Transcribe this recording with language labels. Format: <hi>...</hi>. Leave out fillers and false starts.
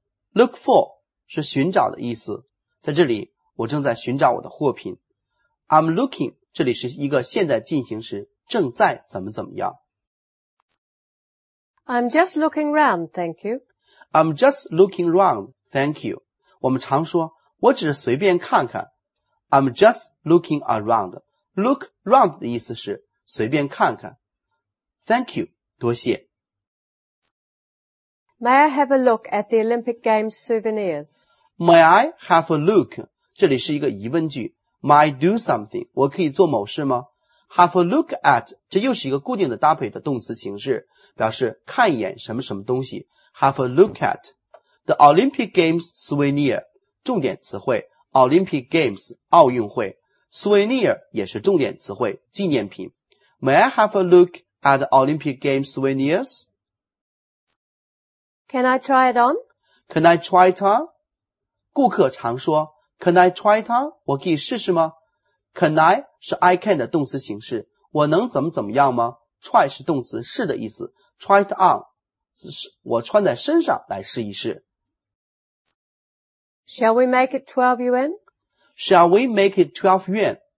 <en>Look for</en> <zh>是寻找的意思。在这里，我正在寻找我的货品。</zh> <en>I'm looking</en> <zh>这里是一个现在进行时，正在怎么怎么样。</zh> <en>I'm just looking round, thank you. I'm just looking round, thank you.</en> <zh>我们常说我只是随便看看</zh> <en>I'm just looking around Look round</en> <zh>的意思是随便看看</zh> <en>Thank you,</en> <zh>多谢</zh> <en>May I have a look at the Olympic Games souvenirs? May I have a look?</en> <zh>这里是一个疑问句</zh> <en>May I do something?</en> <zh>我可以做某事吗</zh> <en>Have a look at</en> <zh>这又是一个固定的搭配的动词形式表示看一眼什么什么东西</zh> <en>Have a look atThe Olympic Games souvenir,</en> <zh>重点词汇 Olympic Games, 奥运会 souvenir 也是重点词汇纪念品</zh> <en>May I have a look at the Olympic Games souvenirs? Can I try it on? Can I try it on?</en> <zh>顾客常说</zh> <en>Can I try it on?</en> <zh>我可以试试吗</zh> <en>Can I</en> <zh>是</zh> <en>I can</en> <zh>的动词形式我能怎么怎么样吗 Try 是动词试的意思</zh> <en>Try it on</en> <zh>我穿在身上来试一试。</zh> <en>Shall we make it 12 yuan? Shall we make it 12 yuan?</en>